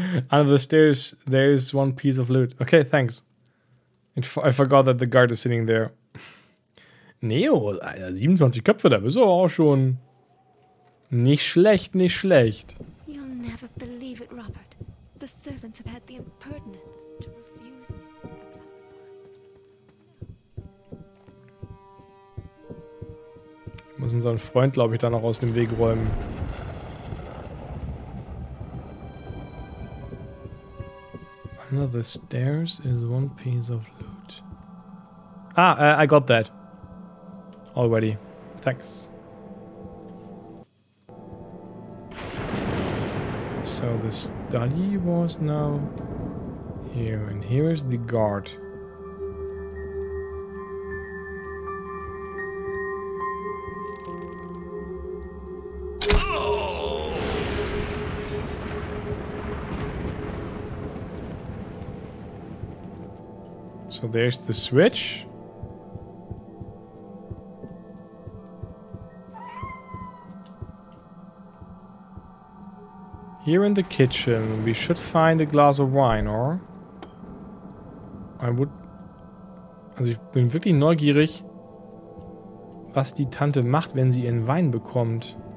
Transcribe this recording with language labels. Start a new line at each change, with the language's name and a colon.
English: Under the stairs, there is one piece of loot. Okay, thanks. I forgot that the guard is sitting there.
German: Neo, Alter, 27 Köpfe, da bist du auch schon. Nicht schlecht, nicht schlecht.
English: You'll never believe it, Robert. The servants have had the impertinence to refuse me.
German: Ich muss unseren Freund, glaube ich, da noch aus dem Weg räumen.
English: Under the stairs is one piece of loot. Ah, I got that. Already. Thanks. So the study was now here, and here is the guard. So there's the switch. Here in the kitchen, we should find a glass of wine, or?
German: Also ich bin wirklich neugierig, was die Tante macht, wenn sie ihren Wein bekommt.